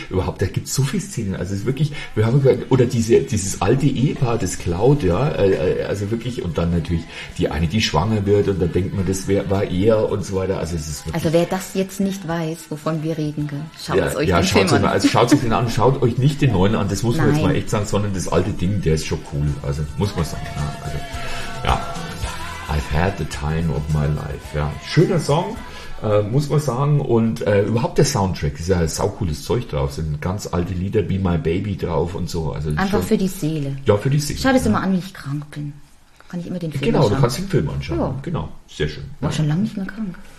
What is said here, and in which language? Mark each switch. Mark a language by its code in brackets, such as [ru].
[de] Überhaupt, da gibt es so viele Szenen. Also es ist wirklich, wir haben oder dieses alte Ehepaar, das klaut, ja, also wirklich, und dann natürlich die eine, die schwanger wird, und dann denkt man, das war er und so weiter. Also es ist wirklich, also wer das jetzt nicht weiß, wovon wir reden, schaut euch den an, schaut euch nicht den neuen an, das muss man jetzt mal echt sagen, sondern das alte Ding, der ist schon cool. Also muss man sagen. Ja, also, ja. [en] I've had the time of my life. [de] Ja. Schöner Song. Muss man sagen, und überhaupt der Soundtrack ist ja ein saucooles Zeug drauf, sind ganz alte Lieder, Be My Baby drauf und so. Also einfach für die Seele. Ja, für die Seele. Schau das immer an, wenn ich krank bin. Kann ich immer den Film anschauen. Genau, du kannst den Film anschauen. Ja. Genau, sehr schön. War schon lange nicht mehr krank.